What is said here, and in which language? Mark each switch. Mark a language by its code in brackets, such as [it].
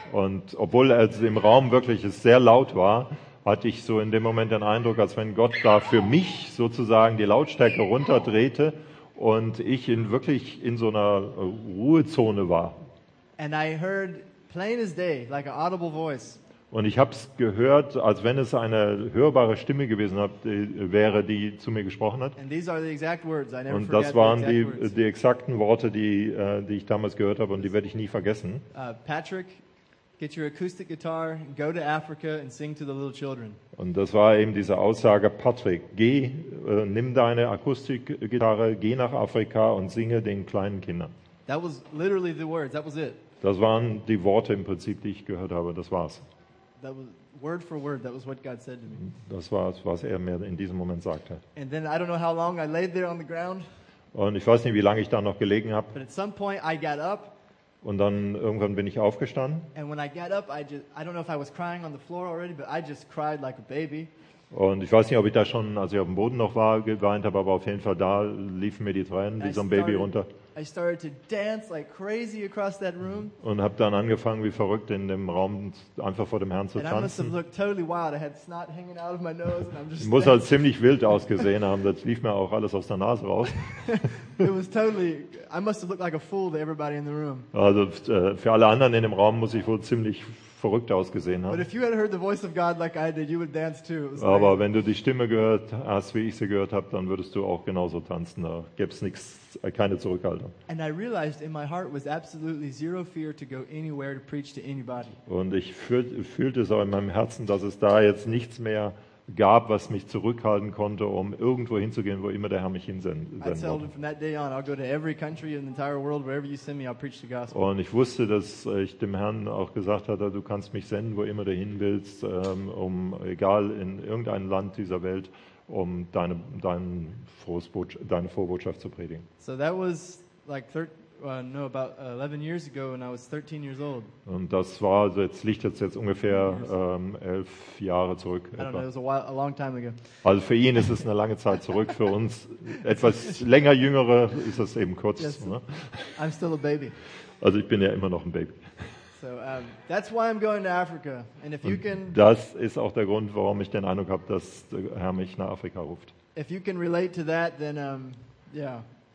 [de] Und obwohl es im Raum wirklich sehr laut war, hatte ich so in dem Moment den Eindruck, als wenn Gott da für mich sozusagen die Lautstärke runterdrehte und ich in wirklich in so einer Ruhezone war. [en] And I heard plain as day, like an audible voice. [de] Und ich habe es gehört, als wenn es eine hörbare Stimme gewesen wäre, die zu mir gesprochen hat. [en] And these are the exact words. I never [de] und das waren [en] the exact words. [de] Die exakten Worte, die ich damals gehört habe, und die werde ich nie vergessen. [en] Patrick, get your acoustic guitar, go to Africa and sing to the little children. [de] Und das war eben diese Aussage, Patrick, geh, nimm deine Akustikgitarre, geh nach Afrika und singe den kleinen Kindern. [en] That was literally the words. That was it. [de] Das waren die Worte im Prinzip, die ich gehört habe. Das war's. [en] That was word for word, that was what God said to me. [de] Das war es, was er mir in diesem Moment sagte. [en] And then I don't know how long I laid there on the ground. [de] Und ich weiß nicht, wie lange ich da noch gelegen habe. [en] But at some point I got up. [de] Und dann irgendwann bin ich aufgestanden. [en] And when I got up, I don't know if I was crying on the floor already, but I just cried like a baby. [de] Und ich weiß nicht, ob ich da schon, als ich auf dem Boden noch war, geweint habe, aber auf jeden Fall da liefen mir die Tränen wie so ein Baby runter. [en] I started to dance like crazy across that room. [de] Und habe dann angefangen, wie verrückt in dem Raum einfach vor dem Herrn zu tanzen. [en] And I must have looked totally wild. I had snot hanging out of my nose, and I'm just. [de] Muss halt ziemlich wild ausgesehen haben. Das lief mir auch alles aus der Nase raus. [en] It was totally. I must have looked like a fool to everybody in the room. [de] Also für alle anderen in dem Raum muss ich wohl ziemlich verrückt ausgesehen haben. [en] But if you had heard the voice of God like I did, you would dance too. [de] Aber wenn du die Stimme gehört hast, wie ich sie gehört habe, dann würdest du auch genauso tanzen. Da gäb's nichts. Keine Zurückhaltung. [en] And I realized in my heart was absolutely zero fear to go anywhere to preach to anybody. [de] Und ich fühlte es auch in meinem Herzen, dass es da jetzt nichts mehr gab, was mich zurückhalten konnte, um irgendwo hinzugehen, wo immer der Herr mich hinsendet. [en] I told him from that day on, I'll go to every country in the entire world, wherever you send me, I'll preach the gospel. [de] Und ich wusste, dass ich dem Herrn auch gesagt hatte, du kannst mich senden, wo immer du hin willst, um egal in irgendein Land dieser Welt. Um deine frohe Botschaft zu predigen. [en] So that was like about 11 years ago when I was 13 years old. [de] Und das war jetzt liegt jetzt ungefähr 11 Jahre zurück. [en] I don't know, it was a long time ago. [de] Also für ihn ist es eine lange Zeit zurück, für uns etwas länger jüngere ist das eben kurz, yes, ne? [en] I'm still a baby. [de] Also ich bin ja immer noch ein Baby. [en] So that's why I'm going to Africa. And if you can, [de] das ist auch der Grund, warum ich den Eindruck habe, dass der Herr mich nach Afrika ruft. [en] If you can relate to that, then yeah.